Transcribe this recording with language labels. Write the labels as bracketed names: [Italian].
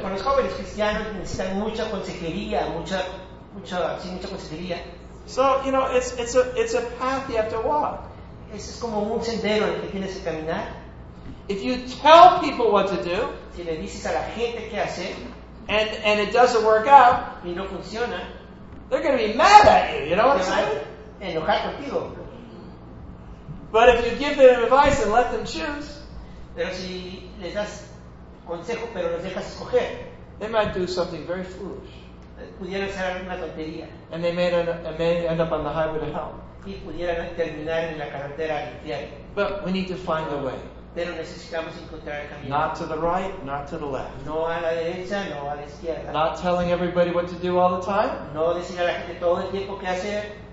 [Spanish] Con los jóvenes cristianos necesitan mucha consejería, mucha consejería. [English] So, you know, it's a path you have to walk. [Spanish] Es como un sendero en el que tienes que caminar. [English] If you tell people what to do, [Spanish] si le dices a la gente qué hacer, [English] and it doesn't work out, [Spanish] y no funciona, [English] they're going to be mad at you. You know what I'm saying? [Spanish] Enojar contigo. [English] But if you give them advice and let them choose, [Spanish] pero si les das consejo, pero los dejas escoger, [English] they might do something very foolish. [Spanish] Pudieran hacer una tontería. [English] And they may end up on the highway to hell. [Spanish] Y pudieran terminar en la carretera al infierno. [English] But we need to find a way. [Spanish] Pero necesitamos encontrar el camino. [English] Not to the right, not to the left. [Spanish] No a la derecha, no a la izquierda. [English] Not telling everybody what to do all the time. [Spanish] No decir a la gente todo el tiempo qué hacer.